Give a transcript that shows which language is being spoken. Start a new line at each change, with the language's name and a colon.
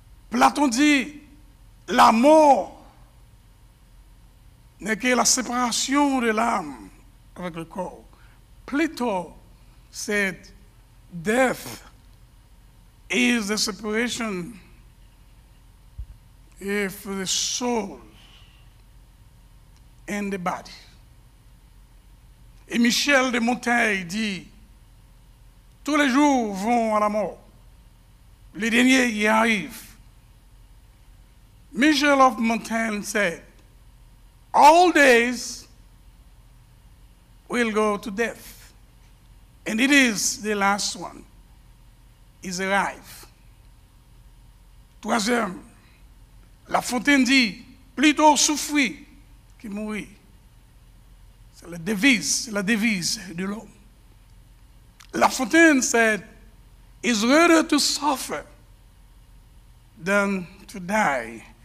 French: Platon dit, la mort n'est que la séparation de l'âme avec le corps.
English: Plato said, death is the separation of the soul and the body.
French: Et Michel de Montaigne dit, tous les jours vont à la mort. Les derniers y arrivent.
English: Michel of Montaigne said, all days will go to death. And it is the last one. Is arrived.
French: Troisième, La Fontaine dit, plutôt souffrir que mourir. C'est la devise de l'homme.
English: La Fontaine said, it's rather to suffer than to die.